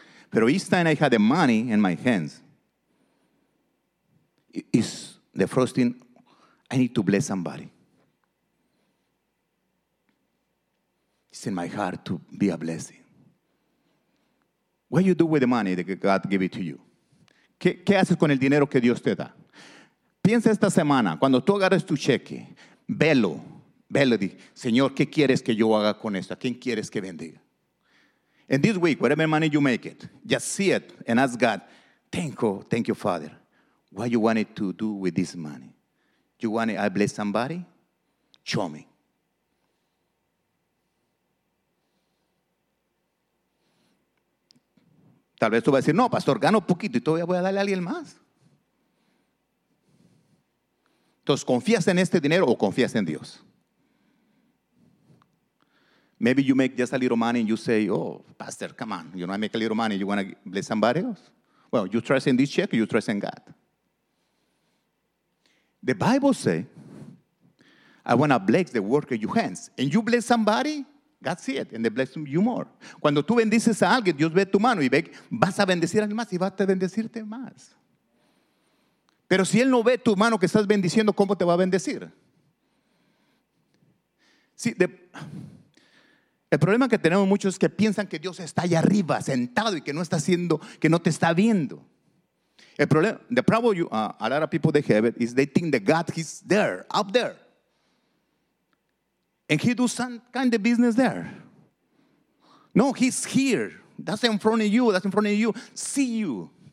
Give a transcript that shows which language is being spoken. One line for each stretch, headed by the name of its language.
English: But each time I had the money in my hands, it's the first thing I need to bless somebody. It's in my heart to be a blessing. What you do with the money that God gave it to you?
Spanish: ¿Qué haces con el dinero que Dios te da? Piensa esta semana, cuando tú agarres tu cheque, velo, di, Señor, ¿qué quieres que yo haga con esto? ¿A quién quieres que bendiga?
English: In this week, whatever money you make it, just see it and ask God, thank you, Father. What you wanted to do with this money? You want to bless somebody? Show me.
Spanish: Tal vez tú vas a decir, no, pastor, gano poquito y todavía voy a darle a alguien más. Entonces, ¿confías en este dinero o confías en Dios?
English: Maybe you make just a little money and you say, oh, pastor, come on. You know, I make a little money. You want to bless somebody else? Well, you trust in this check or you trust in God? The Bible says, I want to bless the work of your hands. And you bless somebody, God see it, and they bless you more.
Spanish: Cuando tú bendices a alguien, Dios ve tu mano y ve, vas a bendecir a alguien más y va a bendecirte más. Pero si Él no ve tu mano que estás bendiciendo, ¿cómo te va a bendecir? Sí, el problema que tenemos muchos es que piensan que Dios está allá arriba, sentado y que no está haciendo, que no te está viendo. El problema,
English: the problem you, a lot of people they have it, is they think that God is there, up there. And he does some kind of business there. No, he's here. That's in front of you. That's in front of you. See you.